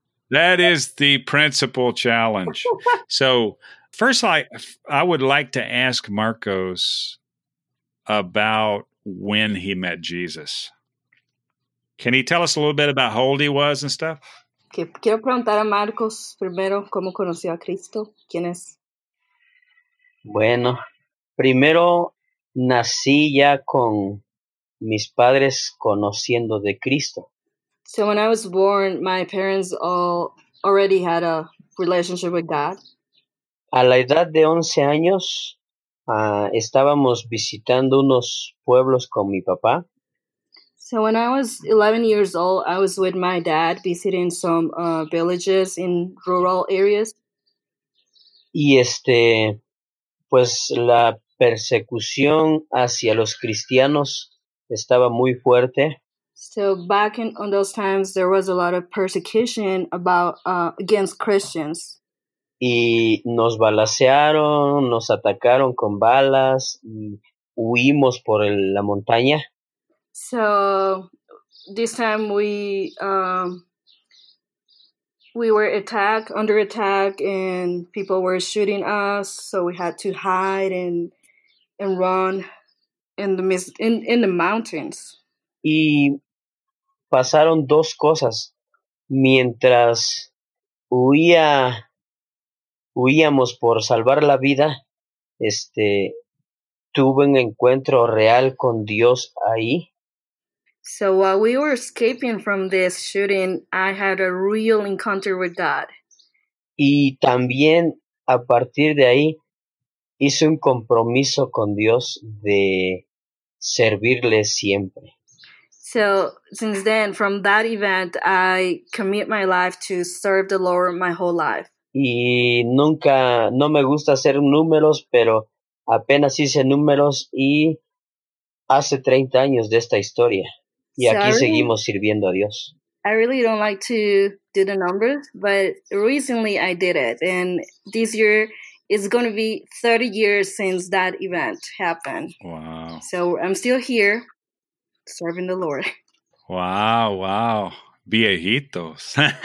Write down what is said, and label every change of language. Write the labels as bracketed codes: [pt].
[en] That is the principal challenge. So first, I would like to ask Marcos about when he met Jesus. Can he tell us a little bit about how old he was and stuff? [es] Quiero preguntar a Marcos primero cómo conoció a Cristo. ¿Quién es? Bueno, primero nací ya con mis padres conociendo de Cristo. [en] So when I was born, my parents all already had a relationship with God. [es] A la edad de 11 años, estábamos visitando unos pueblos con mi papá. [en] So when I was 11 years old, I was with my dad visiting some villages in rural areas. [es] Y pues la persecución hacia los cristianos estaba muy fuerte. [en] So back in on those times, there was a lot of persecution about against Christians. [es] Y nos balacearon, nos atacaron con balas, y huimos por la montaña. [en] So this time we were attacked, under attack, and people were shooting us. So we had to hide and run in the mountains. [es] Y pasaron dos cosas. Mientras huíamos por salvar la vida, tuve un encuentro real con Dios ahí. [en] So while we were escaping from this shooting, I had a real encounter with God. [es] Y también a partir de ahí hice un compromiso con Dios de servirle siempre. [en] So since then, from that event, I commit my life to serve the Lord my whole life. [es] Y nunca, no me gusta hacer números, pero apenas hice números y hace 30 años de esta historia. Y aquí seguimos sirviendo a Dios. [en] I really don't like to do the numbers, but recently I did it. And this year is going to be 30 years since that event happened. Wow. So I'm still here serving the Lord. [es] Wow. Viejitos.